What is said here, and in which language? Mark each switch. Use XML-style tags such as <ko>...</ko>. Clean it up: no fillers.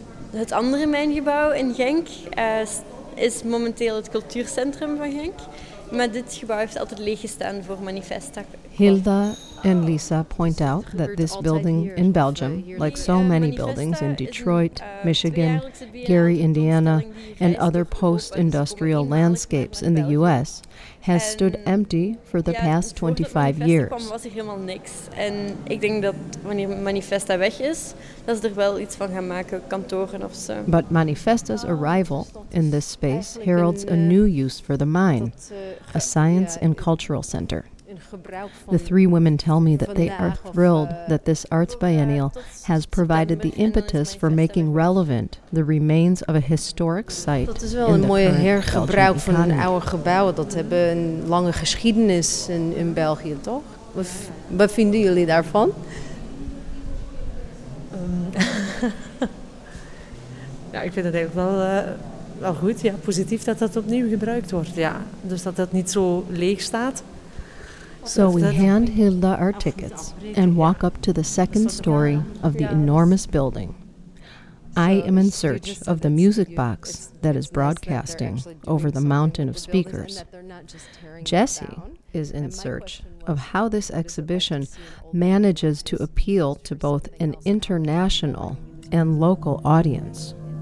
<nl>Het andere mijngebouw in Genk is momenteel het cultuurcentrum van Genk. Maar dit gebouw heeft altijd leeggestaan voor manifesta.</nl> <en>Hilda en Lisa point out that this building in Belgium, like so many buildings in Detroit, Michigan, Gary, Indiana, and other post-industrial landscapes in the U.S., has stood empty for the past 25 years.</en> <nl>Was er helemaal niks. En ik denk dat wanneer Manifesta weg is, dat ze er wel iets van gaan maken, kantoren of zo.</nl> <en>But Manifesta's arrival in this space heralds a new use for the mine, a science and cultural center. The 3 women tell me that they are thrilled that this arts biennial has provided the impetus for making relevant the remains of a historic site.</en> <nl>Dat is wel een mooie hergebruik van een oude gebouw. Dat hebben een lange geschiedenis in België, toch? Wat vinden jullie daarvan? Ja, ik vind het eigenlijk wel goed. Ja, positief dat dat opnieuw gebruikt wordt. Ja, dus dat dat niet zo leeg staat.</nl> <en>So we hand Hilda our tickets and walk up to the second story of the enormous building. I am in search of the music box that is broadcasting over the mountain of speakers. Jesse is in search of how this exhibition manages to appeal to both an international and local audience.</en>